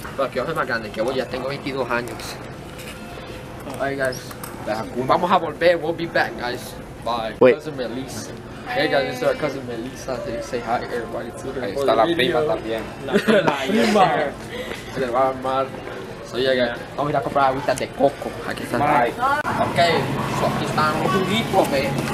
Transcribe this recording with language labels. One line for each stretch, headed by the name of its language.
Spanish: Que yo soy más grande, que hoy ya tengo 22 años.
English: Hey guys,
Spanish: vamos a volver,
English: we'll be back guys. Bye. Wait. Cousin Melissa. Hey guys, this is our cousin Melissa. Say hi everybody to the video.
Spanish: Ahí está la prima también. La prima. Se le va a armar.
English: So yeah guys, yeah.
Spanish: Vamos a ir a comprar agüitas de coco. Aquí está.
English: Bye.
Spanish: Ahí. Ok, so aquí están los juguitos, ve.